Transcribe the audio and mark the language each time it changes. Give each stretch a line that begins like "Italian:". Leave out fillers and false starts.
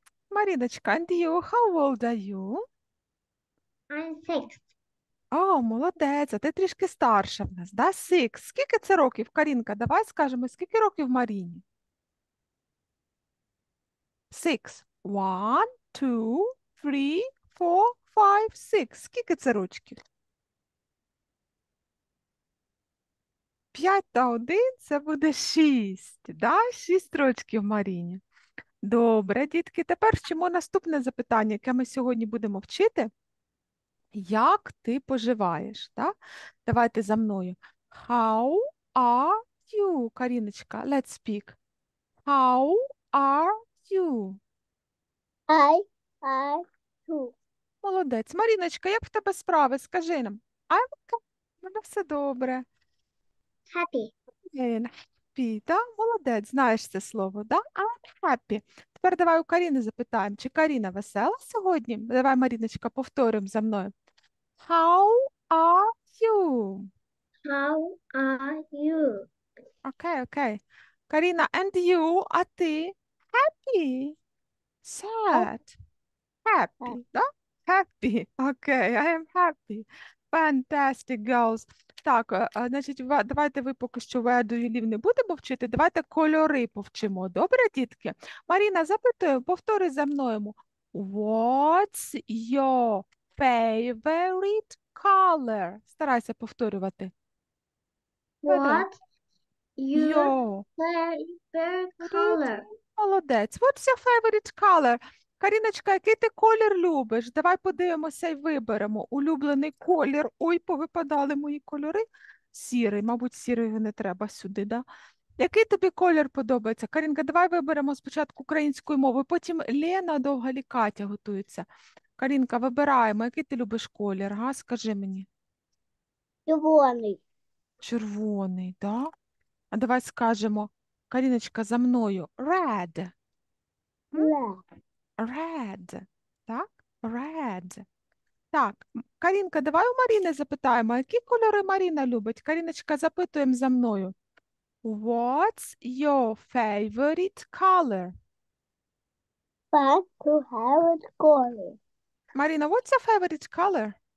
English: Маріночка, and you, how old are you? I'm six.
Ukrainian: О, молодець, а ти трішки старша в нас, да?
English: Six.
Ukrainian: Скільки це років, Карінка? Давай скажемо, скільки років Маріні?
English: Six. One, two, three, four, five, six.
Ukrainian: Скільки це ручків? 5 та 1 – це буде 6, да? 6 рочків Маріні. Добре, дітки, тепер чому наступне запитання, яке ми сьогодні будемо вчити? Як ти поживаєш? Так? Давайте за мною.
English: How are you, Каріночка? Let's speak. How are you? I are too.
Ukrainian: Молодець. Маріночка, як в тебе справи? Скажи нам.
English: I'm okay.
Ukrainian: Все добре.
English: Happy. Happy, да?
Ukrainian: Молодець, знаєш це слово, да?
English: I'm happy.
Ukrainian: Тепер давай у Каріни запитаємо. Чи Каріна весела сьогодні? Давай, Маріночка, повторимо за мною.
English: How are you? How are you?
Ukrainian: Окей.
English: Каріна, and you,
Ukrainian: а ти?
English: Happy. Sad. Happy, да? Happy. Окей, I am happy. Fantastic, girls.
Ukrainian: Так, значить, давайте ви поки що
English: where do you live
Ukrainian: не будемо вчити. Давайте кольори повчимо. Добре, дітки? Маріна, запитую, повтори за мною.
English: What's your favorite color?
Ukrainian: Старайся повторювати.
English: What
Ukrainian: Видно?
English: your Your favorite favorite. color?
Ukrainian: Молодець. What's your favorite color? Каріночка, який ти колір любиш? Давай подивимося і виберемо. Улюблений колір. Ой, повипадали мої кольори. Сірий, мабуть, сірий не треба сюди, да? Який тобі колір подобається? Карінка, давай виберемо спочатку українською мовою, потім Лена довга лі Катя готується. Карінка, вибираємо, який ти любиш колір, га? Скажи мені. Червоний. Червоний, да? А давай скажемо, Каріночка, за мною.
English: Red. Red, так? Red.
Ukrainian: Так, Карінка, давай у Маріни запитаємо, які кольори Маріна любить? Каріночка, запитуємо за мною.
English: What's your favorite color? Back to how it's going. Маріна, what's your favorite color?